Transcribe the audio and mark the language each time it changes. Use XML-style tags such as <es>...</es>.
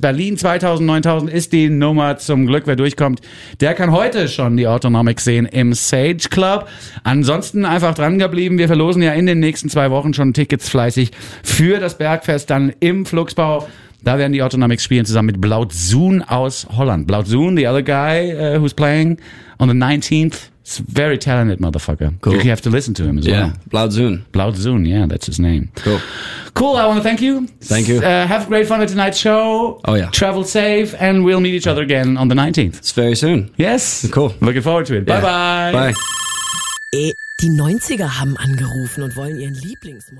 <de>Berlin 2000 9000 ist die Nummer zum Glück. Wer durchkommt, der kann heute schon die Autonomics sehen im Sage Club. Ansonsten einfach dran geblieben. Wir verlosen ja in den nächsten zwei Wochen schon Tickets fleißig für das Bergfest. Dann im Fluxbau, da werden die Autonomics spielen zusammen mit Blaut Zoon aus Holland.</de> <en>Blaut Zoon, the other guy who's playing on the 19th, it's very talented motherfucker. Cool. You have to listen to him as yeah. well. Yeah, Blaut Zoon. Blaut Zoon, yeah, that's his name. Cool. I want to thank you. Thank you. Have great fun at tonight's show. Oh yeah. Travel safe, and we'll meet each other again on the 19th. It's very soon. Yes. Cool. Looking forward to it. Bye-bye. Yeah. Bye.</en> <de>Die 90er haben angerufen und wollen ihren Lieblingsmodell.</de>